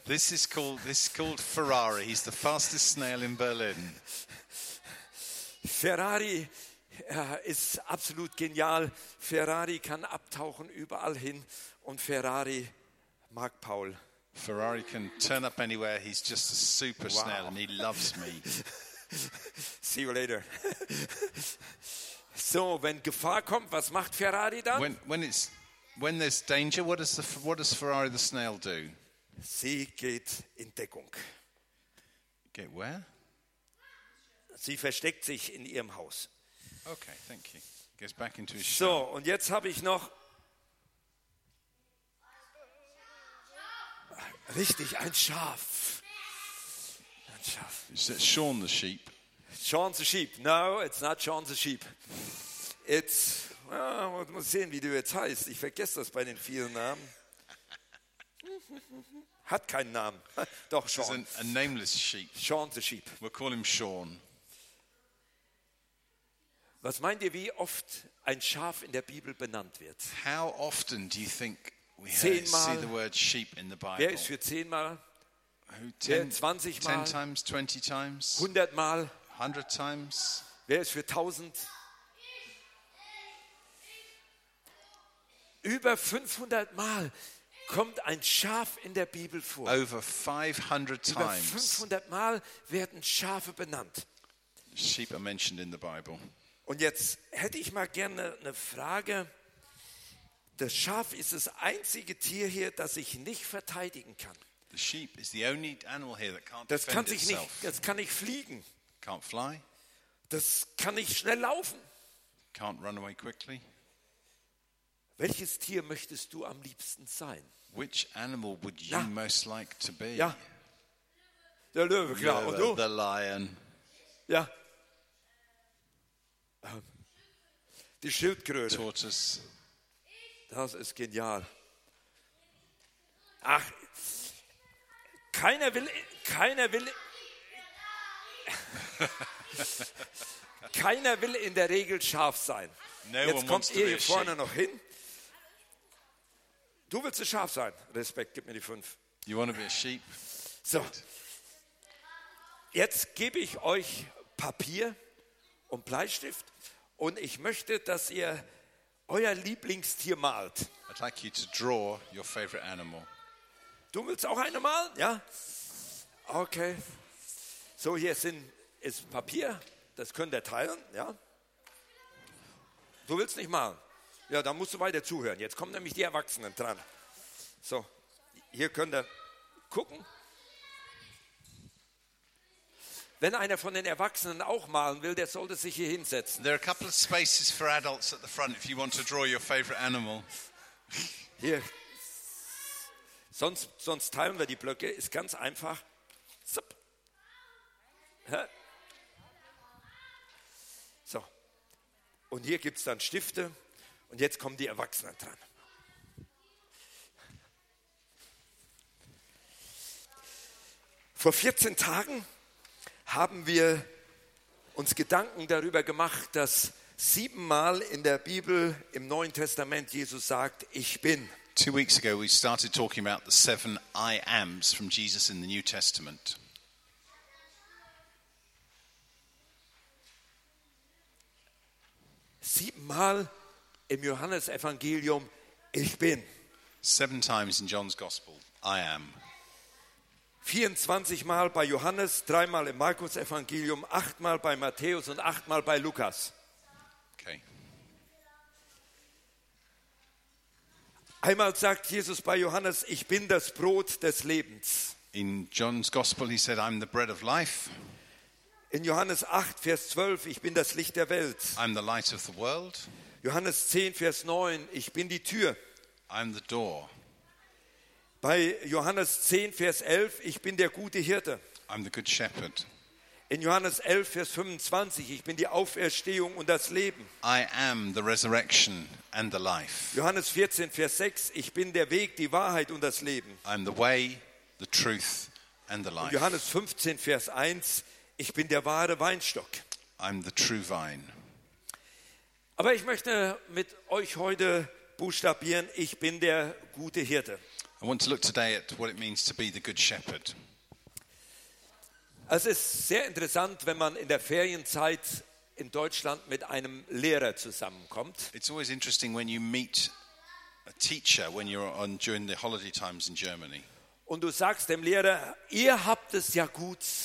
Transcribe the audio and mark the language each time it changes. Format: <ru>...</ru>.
<en>This is called Ferrari. He's the fastest snail in Berlin.</en> <de>Ferrari ist absolut genial. Ferrari kann abtauchen überall hin und Ferrari mag Paul.</de> <en>Ferrari can turn up anywhere. He's just a super snail and he loves me. See you later.</en> <de>So, wenn Gefahr kommt, was macht Ferrari dann?</de> <en>When there's danger, what does Ferrari the snail do?</en> <de>Sie geht in Deckung.</de> <en>Get where?</en> <de>Sie versteckt sich in ihrem Haus.</de> <en>Okay, thank you. Gets back into his</en> <de>shell. So, und jetzt habe ich noch. Richtig, ein Schaf. Ein Schaf.</de> <en>Is that Sean the sheep? Sean the sheep. No, it's not Sean the sheep. It's.</en> <de>Ja, man muss sehen, wie du jetzt heißt. Ich vergesse das bei den vielen Namen. Hat keinen Namen. Doch, Sean.</de> <en>He's a nameless sheep. Sean the sheep. We'll call him Sean.</en> <de>Was meint ihr, wie oft ein Schaf in der Bibel benannt wird?</de> <en>How often do you think we see the word sheep in the Bible?</en> <de>Wer ist für 10-mal? 20-mal?</de> <en>10 times, 20 times?</en> <de>100-mal?</de> <en>100 times?</en> <de>Wer ist für 1000? Über 500 Mal kommt ein Schaf in der Bibel vor.</de> <en>Over 500 times.</en> <de>Über 500 Mal werden Schafe benannt.</de> <en>Sheep are mentioned in the Bible.</en> <de>Und jetzt hätte ich mal gerne eine Frage. Das Schaf ist das einzige Tier hier, das sich nicht verteidigen kann.</de> <en>The sheep is the only animal here that can't defend itself.</en> <de>Das kann nicht fliegen.</de> <en>Can't fly.</en> <de>Das kann nicht schnell laufen.</de> <en>Can't run away quickly.</en> <de>Welches Tier möchtest du am liebsten sein?</de> <en>Which animal would you most like to be?</en> <de>Ja. Der Löwe, klar. Und du?</de> <en>The lion.</en> <de>Ja. Die Schildkröte.</de> <en>Tortoise.</en> <de>Das ist genial. Ach, keiner will in der Regel scharf sein.</de> <en>No.</en> <de>Jetzt kommt ihr hier vorne</de> <en>sheep.</en> <de>Noch hin. Du willst ein Schaf sein. Respekt, gib mir die 5.</de> <en>You want to be a sheep?</en> <de>So. Jetzt gebe ich euch Papier und Bleistift und ich möchte, dass ihr euer Lieblingstier malt.</de> <en>I'd like you to draw your favorite animal.</en> <de>Du willst auch eine malen? Ja? Okay. So, hier ist Papier. Das könnt ihr teilen. Ja? Du willst nicht malen? Ja, da musst du weiter zuhören. Jetzt kommen nämlich die Erwachsenen dran. So, hier könnt ihr gucken. Wenn einer von den Erwachsenen auch malen will, der sollte sich hier hinsetzen.</de> <en>There are a couple of spaces for adults at the front if you want to draw your favorite animal.</en> <de>Hier. Sonst teilen wir die Blöcke. Ist ganz einfach. Zip. So. Und hier gibt es dann Stifte. Und jetzt kommen die Erwachsenen dran. Vor 14 Tagen haben wir uns Gedanken darüber gemacht, dass 7-mal in der Bibel im Neuen Testament Jesus sagt, ich bin.</de> <en>2 weeks ago we started talking about the 7 I ams from Jesus in the New Testament.</en> <de>Sieben 7-mal im Johannesevangelium, ich bin.</de> <en>7 times in John's Gospel, I am.</en> <de>24-mal bei Johannes, 3-mal im Markus-Evangelium, 8-mal bei Matthäus und 8-mal bei Lukas.</de> <en>Okay.</en> <de>Einmal sagt Jesus bei Johannes, ich bin das Brot des Lebens.</de> <en>In John's Gospel, he said, I'm the bread of life.</en> <de>In Johannes 8, Vers 12, ich bin das Licht der Welt.</de> <en>I'm the light of the world.</en> <de>Johannes 10, Vers 9, ich bin die Tür.</de> <en>I'm the door.</en> <de>Bei Johannes 10, Vers 11, ich bin der gute Hirte.</de> <en>I'm the good shepherd.</en> <de>In Johannes 11, Vers 25, ich bin die Auferstehung und das Leben.</de> <en>I am the resurrection and the life.</en> <de>Johannes 14, Vers 6, ich bin der Weg, die Wahrheit und das Leben.</de> <en>I'm the way, the truth and the life.</en> <de>Johannes 15, Vers 1, ich bin der wahre Weinstock.</de> <en>I'm the true vine.</en> <de>Aber ich möchte mit euch heute buchstabieren, ich bin der gute Hirte.</de> <en>I want to look today at what it means to be the good shepherd.</en> <de>Es ist sehr interessant, wenn man in der Ferienzeit in Deutschland mit einem Lehrer zusammenkommt.</de> <en>It's always interesting when you meet a teacher when you're on during the holiday times in Germany.</en> <de>Und du sagst dem Lehrer, ihr habt es ja gut.</de>